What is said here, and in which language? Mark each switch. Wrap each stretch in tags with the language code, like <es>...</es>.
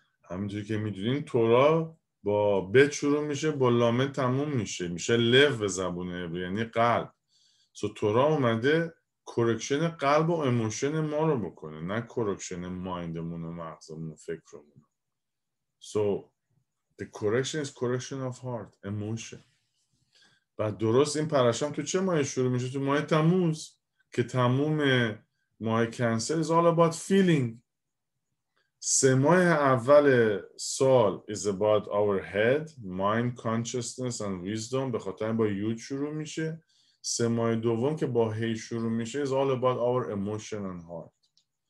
<fa>همینطور که میدونین تورا با بت شروع میشه، با لامه تموم میشه، میشه لف به زبون عبری، یعنی قلب. سو تورا اومده کورکشن قلب و اموشن ما رو بکنه، نه کورکشن مایندمون و مغزمون و فکرمون.</fa> <en>So the correction is correction of heart, emotion.</en> <fa>بعد درست این پرشم تو چه ماهی شروع میشه؟ تو ماه تموز، که تموم ماه کنسر</fa> <en>is all about feeling.</en> <fa>سه ماه اول سال</fa> <en>is about our head, mind, consciousness and wisdom.</en> <fa>به خاطر با یود شروع میشه. سه ماه دوم که با هی شروع میشه</fa> <en>is all about our emotion and heart.</en>